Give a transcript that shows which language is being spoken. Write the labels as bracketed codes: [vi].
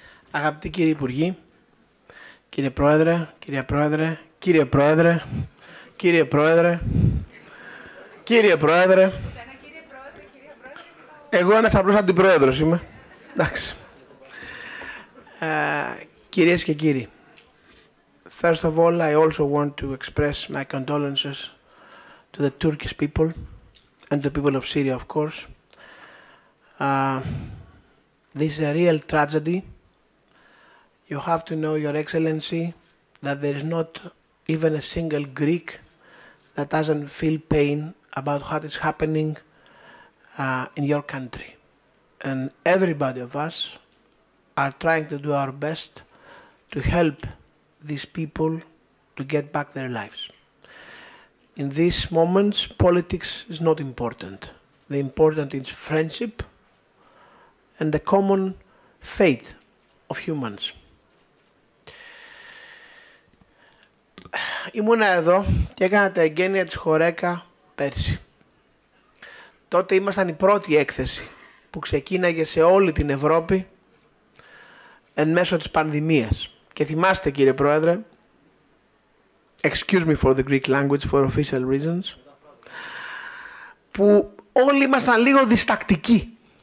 [el] Αγαπητοί κύριοι Υπουργοί, κύριε Πρόεδρε, κύριε Πρόεδρε, κύριε Πρόεδρε, κύριε Πρόεδρε, κύριε Πρόεδρε. Εγώ ένας απλός αντιπρόεδρος είμαι. Εντάξει. Κυρίες και κύριοι, [en] first of all, I also want to express my condolences to the Turkish people and the people of Syria, of course. This is a real tragedy. You have to know, Your Excellency, that there is not even a single Greek that doesn't feel pain about what is happening in your country. And everybody of us are trying to do our best to help these people to get back their lives. In these moments, politics is not important. The important is friendship and the common fate of humans. [el] Ήμουνα εδώ και έκανα τα εγκαίνια της Χορέκα πέρσι. Τότε ήμασταν η πρώτη έκθεση που ξεκίναγε σε όλη την Ευρώπη εν μέσω της πανδημίας. Και θυμάστε, κύριε Πρόεδρε, [en] excuse me for the Greek language for official reasons, [el] που όλοι ήμασταν λίγο διστακτικοί.